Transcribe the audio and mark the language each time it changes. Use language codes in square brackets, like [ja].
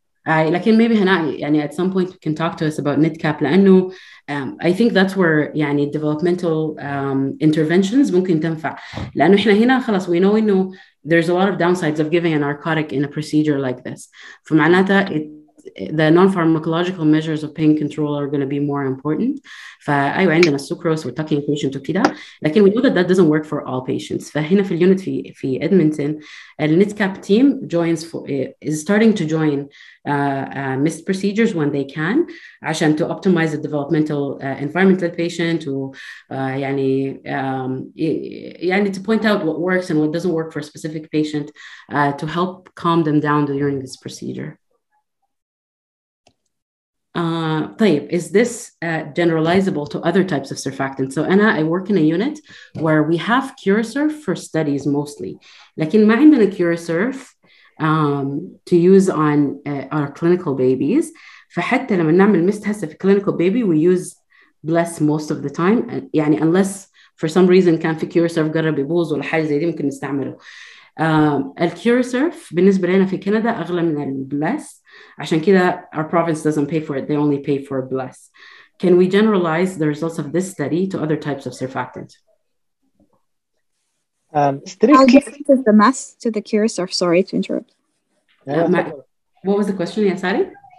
[en] لكن maybe هناء يعني at some point can talk to us about NITCAP لأنه I think that's where يعني developmental interventions ممكن تنفع [ar] لأنه إحنا هنا خلاص [en] we know إنه there's a lot of downsides of giving a narcotic in a procedure like this. [ar] فمعناتها [en] the non-pharmacological measures of pain control are going to be more important. [ar] فأيوة عندنا sucrose وتاكين patient وكده. [en] لكن we know that that doesn't work for all patients. [ar] فهنا في اليونت في [en] Edmonton, the NITCAP team joins is starting to join missed procedures when they can عشان to optimize the developmental environment of the patient to يعني to point out what works and what doesn't work for a specific patient to help calm them down during this procedure. طيب, is this generalizable to other types of surfactants? So أنا, I work in a unit where we have Curasurf for studies mostly. [ar] لكن ما عندنا [en] Curasurf to use on our clinical babies. [ar] فحتى لما نعمل [en] MIST هسه في clinical baby, we use Bless most of the time. [ar] يعني unless for some reason كان في Curasurf قرب يبوظ ولا حاجة زي دي ممكن نستعمله. Curasurf بالنسبة لنا في كندا أغلى من Bless. عشان كده [en] our province doesn't pay for it, they only pay for Bless. Can we generalize the results of this study to other types of surfactant? How different is the mass to the Curasurf? Sorry to interrupt. What was the question, Yasari?